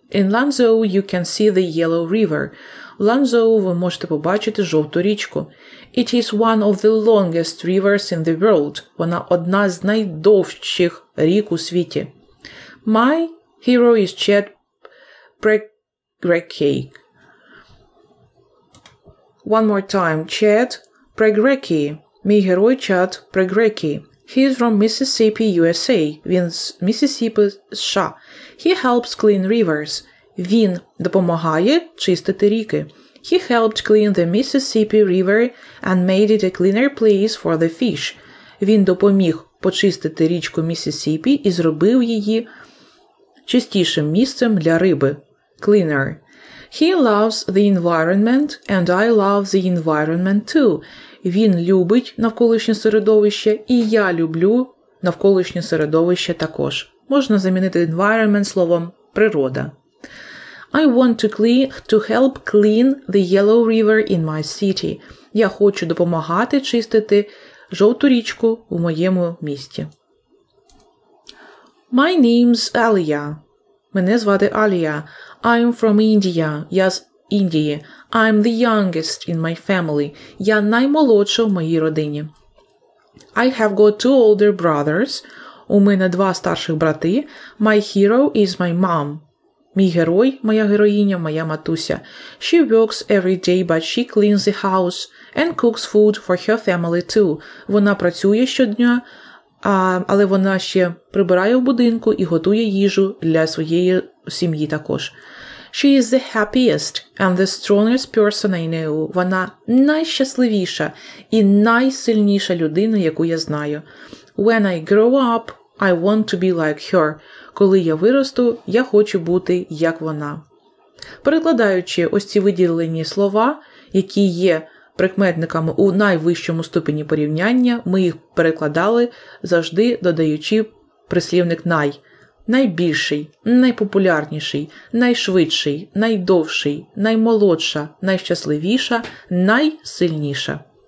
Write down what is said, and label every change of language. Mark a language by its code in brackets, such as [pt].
[en] In Lanzhou you can see the Yellow River. [uk] В Ланзоу ви можете побачити жовту річку. [en] It is one of the longest rivers in the world. [uk] Вона одна з найдовших рік у світі. [en] My hero is Chet Pregreki. One more time. Chet Pregreki. [uk] Мій герой Чет Прегрекі. [en] He is from Mississippi, USA. [uk] Він з Міссісіпі, США. [en] He helps clean rivers. [uk] Він допомагає чистити ріки. [en] He helped clean the Mississippi River and made it a cleaner place for the fish. [uk] Він допоміг почистити річку Міссісіпі і зробив її чистішим місцем для риби. [en] Cleaner. He loves the environment and I love the environment too. [uk] Він любить навколишнє середовище, і я люблю навколишнє середовище також. Можна замінити environment словом природа. [en] I want to help clean the Yellow River in my city. [uk] Я хочу допомагати чистити жовту річку в моєму місті. [en] My name's Alia. [uk] Мене звати Алія. [en] I'm from India. [uk] Я з Індії. [en] I'm the youngest in my family. [uk] Я наймолодша в моїй родині. [en] I have got two older brothers. [uk] У мене два старших брати. [en] My hero is my mom. [uk] Мій герой, моя героїня, моя матуся. [en] She works every day, but she cleans the house and cooks food for her family too. [uk] Вона працює щодня, але вона ще прибирає в будинку і готує їжу для своєї сім'ї також. [en] She is the happiest and the strongest person I know. [uk] Вона найщасливіша і найсильніша людина, яку я знаю. [en] When I grow up, I want to be like her. [uk] Коли я виросту, я хочу бути як вона. Перекладаючи ось ці виділені слова, які є прикметниками у найвищому ступені порівняння, ми їх перекладали завжди додаючи прислівник «най». Найбільший, найпопулярніший, найшвидший, найдовший, наймолодша, найщасливіша, найсильніша.